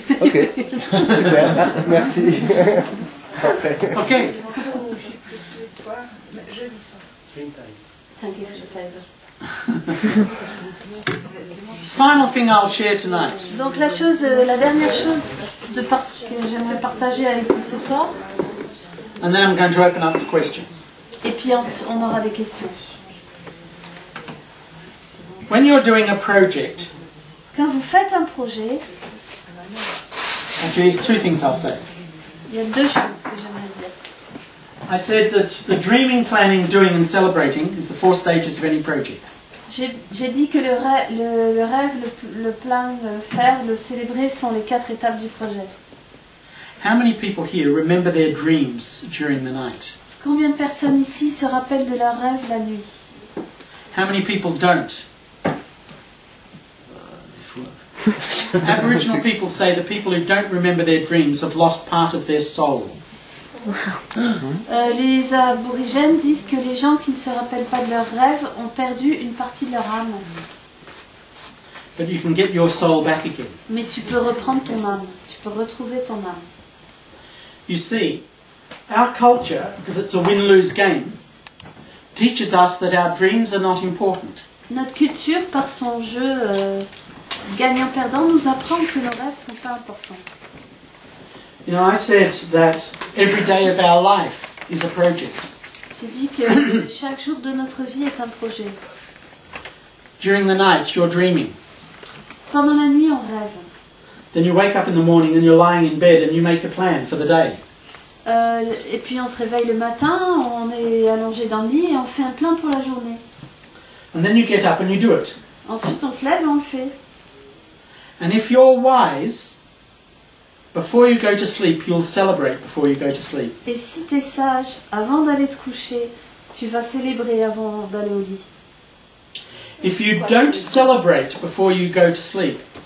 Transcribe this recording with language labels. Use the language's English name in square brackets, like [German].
[French] Ok. Super. Merci. Parfait. Ok. [English] Thank you for your favor. Final thing I'll share tonight. [French] Donc la dernière chose que j'aimerais partager avec vous ce soir. [English] And then I'm going to open up for questions. [French] Et puis on aura des questions. [English] When you're doing a project, [French] quand vous faites un projet, [English] actually, there's two things I'll say. [French] Il y a deux choses que j'aimerais dire. [English] I said that the dreaming, planning, doing, and celebrating is the four stages of any project. [French] J'ai dit que le rêve, le plan, le faire, le célébrer sont les quatre étapes du projet. [English] How many people here remember their dreams during the night? [French] Combien de personnes ici se rappellent de leurs rêves la nuit? [English] How many people don't? Aboriginal people say the people who don't remember their dreams have lost part of their soul. [French] Les aborigènes disent que les gens qui ne se rappellent pas de leurs rêves ont perdu une partie de leur âme. [English] But you can get your soul back again. [French] Mais tu peux reprendre ton âme. Tu peux retrouver ton âme. [English] You see, our culture, because it's a win-lose game, teaches us that our dreams are not important. [French] Notre culture, par son jeu gagnant-perdant, nous apprend que nos rêves ne sont pas importants. [English] You know, I said that every day of our life is a project. [French] J'ai dit que chaque jour de notre vie est un projet. [English] During the night, you're dreaming. [French] Pendant la nuit, on rêve. [English] Then you wake up in the morning and you're lying in bed and you make a plan for the day. [French] Et puis on se réveille le matin, on est allongé dans le lit et on fait un plan pour la journée. [English] And then you get up and you do it. [French] Ensuite on se lève et on le fait. [English] And if you're wise, before you go to sleep, you'll celebrate before you go to sleep. [French] Et si t'es sage, avant d'aller te coucher, tu vas célébrer avant d'aller au lit. [English] If you don't celebrate before you go to sleep,